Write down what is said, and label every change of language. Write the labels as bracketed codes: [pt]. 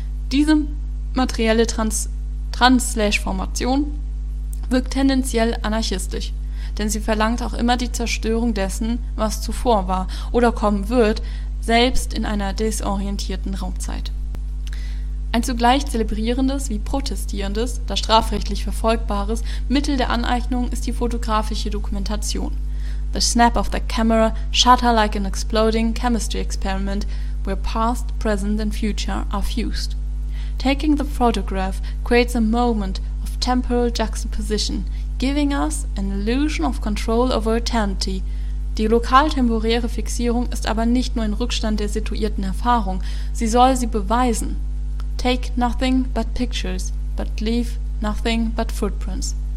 [de] Diese materielle Trans-Formation wirkt tendenziell anarchistisch, denn sie verlangt auch immer die Zerstörung dessen, was zuvor war oder kommen wird, selbst in einer desorientierten Raumzeit. Ein zugleich zelebrierendes wie protestierendes, das strafrechtlich verfolgbares Mittel der Aneignung ist die fotografische Dokumentation. [en] The snap of the camera, shutter like an exploding chemistry experiment, where past, present and future are fused. Taking the photograph creates a moment of temporal juxtaposition, giving us an illusion of control over eternity. [de] Die lokal-temporäre Fixierung ist aber nicht nur ein Rückstand der situierten Erfahrung, sie soll sie beweisen. [en] Take nothing but pictures, but leave nothing but footprints.